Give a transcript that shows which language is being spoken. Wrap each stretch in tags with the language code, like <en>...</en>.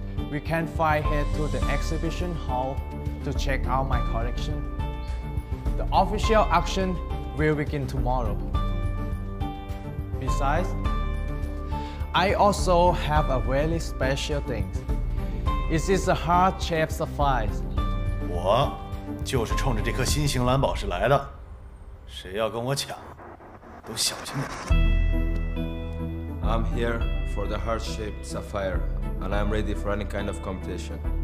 <en>We can fly here to the exhibition hall to check out my collection. The official auction will begin tomorrow. Besides, I also have a really special thing. This is a heart shaped surprise.</en> <zh>我就是冲着这颗新型蓝宝石来的。谁要跟我抢，都小心点。</zh> <en>I'm here for the heart-shaped sapphire, and I'm ready for any kind of competition.</en>